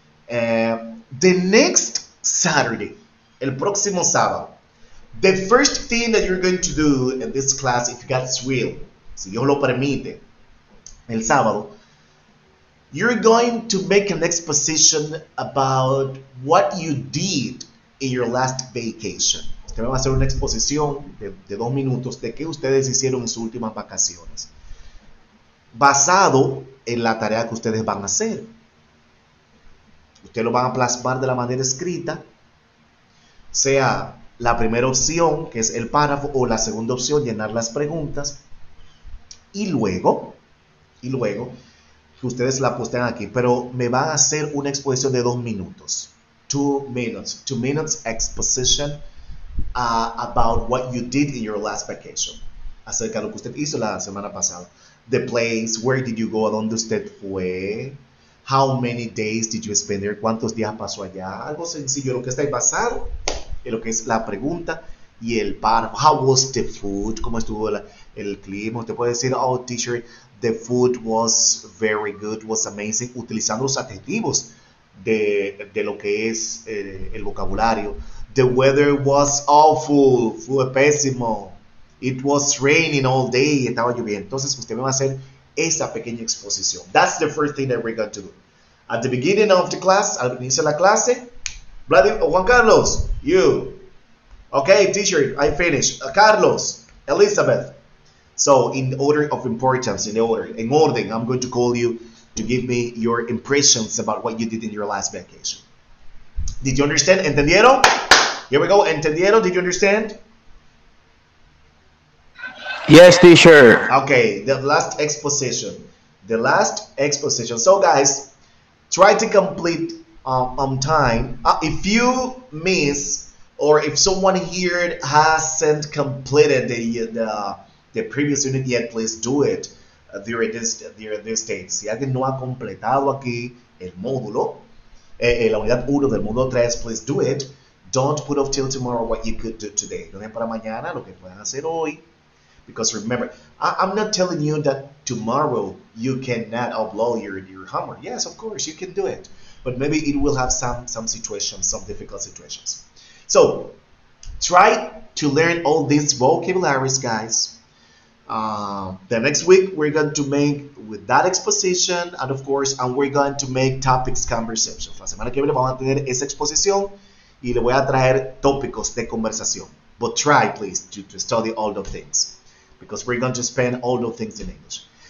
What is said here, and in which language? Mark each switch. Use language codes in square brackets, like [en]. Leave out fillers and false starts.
[en] The next Saturday, [es] el próximo sábado, [en] the first thing that you're going to do in this class, if God's will, [es] si Dios lo permite, [en] el sábado, you're going to make an exposition about what you did in your last vacation. [es] Usted va a hacer una exposición de dos minutos de qué ustedes hicieron en sus últimas vacaciones, basado en la tarea que ustedes van a hacer. Ustedes lo van a plasmar de la manera escrita, sea la primera opción, que es el párrafo, o la segunda opción, llenar las preguntas, y luego que ustedes la posten aquí. Pero me van a hacer una exposición de dos minutos. [en] Two minutes exposition about what you did in your last vacation. [es] Acerca de lo que usted hizo la semana pasada. [en] The place, where did you go, [es] a dónde usted fue. [en] How many days did you spend there? [es] ¿Cuántos días pasó allá? Algo sencillo, lo que está basado en lo que es la pregunta y el párrafo. [en] How was the food? [es] ¿Cómo estuvo el clima? Usted puede decir, [en] oh, teacher, the food was very good, was amazing, [es] utilizando los adjetivos de lo que es el vocabulario. [en] The weather was awful, [es] fue pésimo. [en] It was raining all day, [es] estaba lloviendo. Entonces, usted me va a hacer esa pequeña exposición. [en] That's the first thing that we're going to do. At the beginning of the class, [es] al inicio de la clase, [en] Juan Carlos, you. Okay, teacher, I finished. Carlos, Elizabeth. So, in order of importance, in order, I'm going to call you to give me your impressions about what you did in your last vacation. Did you understand? [es] ¿Entendieron? [en] Here we go. ¿Entendieron? Did you understand? Yes, teacher. Okay, the last exposition. So, guys, try to complete on time. If you miss, or if someone here hasn't completed the previous unit yet, please do it during this day. [es] Si alguien no ha completado aquí el módulo, la unidad 1 del módulo 3, [en] please do it. Don't put off till tomorrow what you could do today. [es] No es para mañana lo que puedan hacer hoy. [en] Because remember, I'm not telling you that tomorrow you cannot upload your homework. Yes, of course, you can do it. But maybe it will have some situations, some difficult situations. So try to learn all these vocabularies, guys. The next week we're going to make with that exposition, and of course, and we're going to make topics conversations. [es] La semana que viene vamos a tener esa exposición y le voy a traer tópicos de conversación. [en] But try, please, to study all the things, because we're going to spend all the things in English.